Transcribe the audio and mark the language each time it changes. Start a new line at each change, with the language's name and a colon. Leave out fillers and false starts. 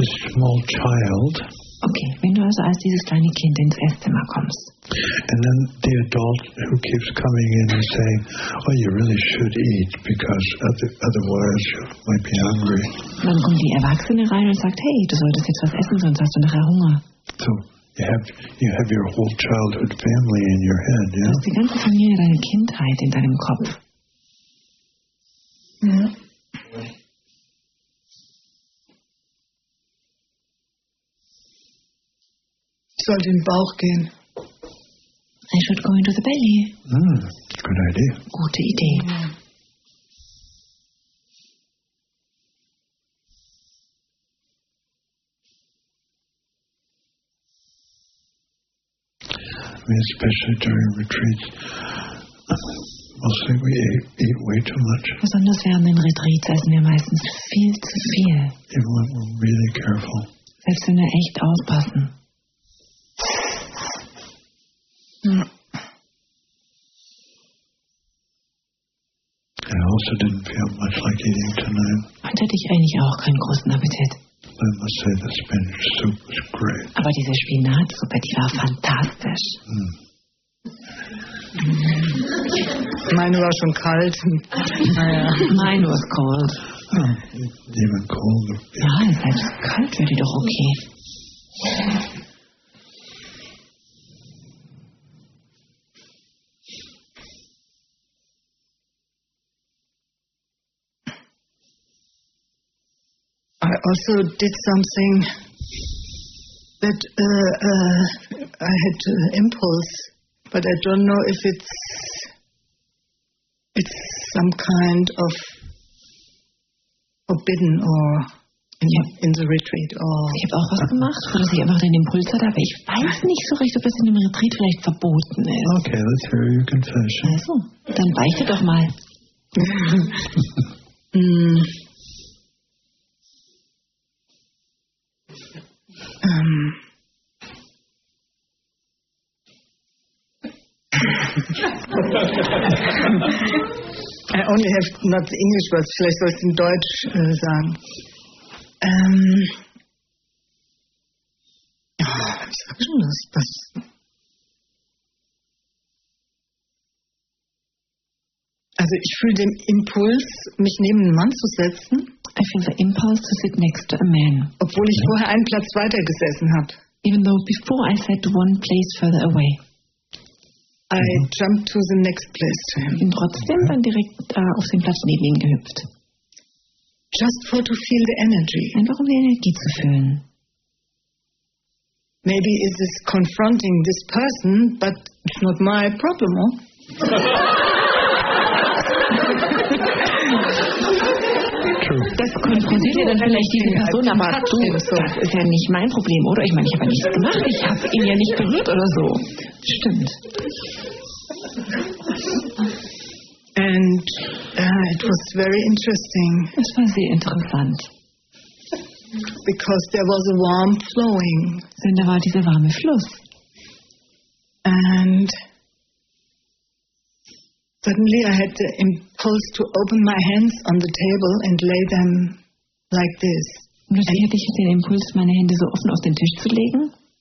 German: Wenn du also als dieses kleine Kind ins Esszimmer kommst.
English: And then the adult who keeps coming in and saying, oh, you really should eat because otherwise you might be hungry.
German: Dann kommt die Erwachsene rein und sagt, hey, du solltest jetzt was essen, sonst hast du nachher Hunger.
English: So. You have your whole childhood family in your head, yeah?
German: Die ganze Familie, deine Kindheit in deinem Kopf. Ja. Ich sollte in den Bauch gehen.
English: I should go into the belly. Good idea.
German: Gute Idee.
English: Especially during retreats, mostly we eat way too much.
German: Besonders während den Retreats essen wir meistens viel zu viel.
English: Even when we're really careful.
German: selbst wenn wir echt aufpassen. Ja.
English: I also didn't feel much like eating tonight.
German: Heute hatte ich eigentlich auch keinen großen Appetit.
English: I must say the spinach soup was great.
German: Aber diese Spinatsuppe, die war fantastisch. Meine war schon kalt.
English: Mine was cold. Oh, even colder.
German: Ja, selbst kalt wäre die doch okay.
English: I also did something that I had an impulse, but I don't know if it's some kind of forbidden or in the retreat. Or
German: ich habe auch was gemacht, wo ich einfach den Impuls hatte, aber ich weiß nicht so recht, ob das in dem Retreat vielleicht verboten ist.
English: Okay, let's hear your confession.
German: Also, dann beichte doch mal.
English: I only have not the English words,
German: vielleicht soll ich es in Deutsch sagen. Ich sag schon das. Also ich fühle den Impuls, mich neben einen Mann zu setzen.
English: I feel the impulse to sit next to a man.
German: Obwohl ich vorher einen Platz weiter gesessen habe.
English: Even though before I sat one place further away. I jumped to the next place to him.
German: Bin trotzdem dann direkt auf den Platz neben ihm gehüpft.
English: Just for to feel the energy.
German: Einfach um die Energie zu fühlen.
English: Maybe is this confronting this person, but it's not my problem.
German: Das konfrontiert ja dann vielleicht diese Person, aber das ist ja nicht mein Problem, oder? Ich meine, ich habe ja nichts gemacht, ich habe ihn ja nicht berührt oder so. Stimmt.
English: And it was very interesting.
German: Es war sehr interessant.
English: Because there was a warm flowing.
German: Denn da war dieser warme Fluss.
English: And suddenly I had the impulse to open my hands on the table and lay them like this.
German: Und plötzlich hatte ich den Impuls, meine Hände so offen auf den Tisch zu legen.